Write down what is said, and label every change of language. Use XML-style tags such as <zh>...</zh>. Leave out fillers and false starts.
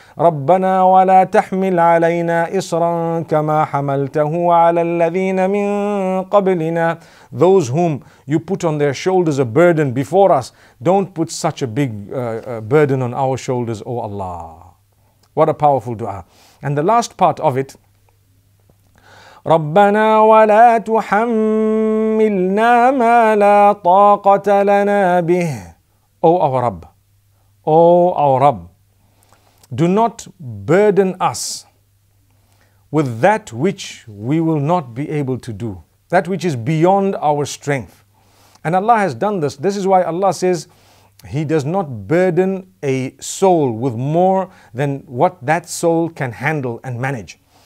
<ar>رَبَّنَا وَلَا تَحْمِلْ عَلَيْنَا إِصْرًا كَمَا حَمَلْتَهُ عَلَى الَّذِينَ مِنْ قَبْلِنَا.</ar> <en>Those whom you put on their shoulders a burden before us, don't put such a big burden on our shoulders, oh Allah. What a powerful dua. And the last part of it,</en> <ar>رَبَّنَا وَلَا تُحَمِّلْنَا مَا لَا طَاقَةَ لَنَا بِهِ.</ar> <en>O our Rabb, O our Rabb, do not burden us with that which we will not be able to do, that which is beyond our strength. And Allah has done this. This is why Allah says He does not burden a soul with more than what that soul can handle and manage.</en>